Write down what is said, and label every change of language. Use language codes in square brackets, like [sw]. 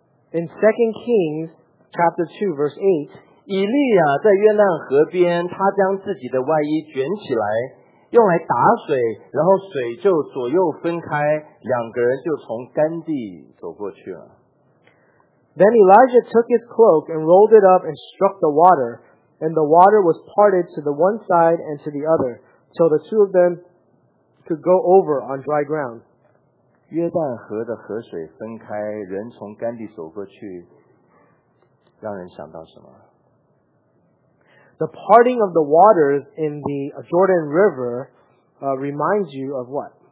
[en] in 2 Kings chapter 2 verse 8, [zh] 以利亚在约旦河边, 他将自己的外衣卷起来, 用来打水, 然后水就左右分开, 两个人就从干地走过去了。 [en] Then Elijah took his cloak and rolled it up and struck the water, and the water was parted to the one side and to the other, so the two of them could go over on dry ground. [zh] 约旦河的河水分开, 人从干地走过去, 让人想到什么? [en] The parting of the waters in the Jordan River reminds you of what?